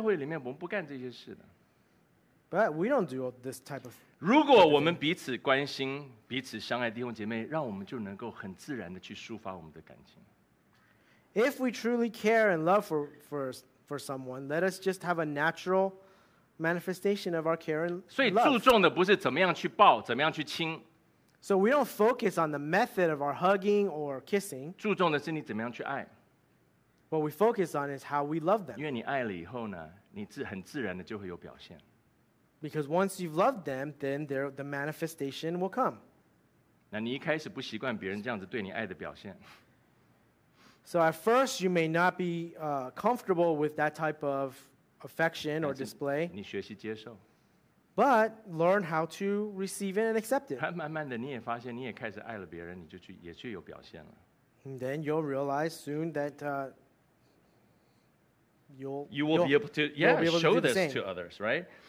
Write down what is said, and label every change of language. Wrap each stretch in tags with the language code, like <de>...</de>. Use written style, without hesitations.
<zh>我们不在教会里面，我们不干这些事的。</zh> <en>But we don't do this type of.</en> <zh>如果我们彼此关心、彼此相爱，弟兄姐妹，让我们就能够很自然的去抒发我们的感情。</zh> <en>If we truly care and love for someone, let us just have a natural manifestation of our care and love.</en> <zh>所以注重的不是怎么样去抱、怎么样去亲。</zh> <en>So we don't focus on the method of our hugging or kissing.</en> <zh>注重的是你怎么样去爱。</zh> <en>What we focus on is how we love them.</en> <zh>因为你爱了以后呢，你很自然的就会有表现。</zh> <en>Because once you've loved them, then the manifestation will come.</en> <zh>那你一开始不习惯别人这样子对你爱的表现。</zh> <en>So at first, you may not be comfortable with that type of affection or display.</en> <zh>你学习接受。</zh> <en>But learn how to receive it and accept it.</en> <zh>慢慢的你也发现，你也开始爱了别人，你就去也去有表现了。</zh> <en>And then you'll realize soon that you will be able to show this to others, right?</en>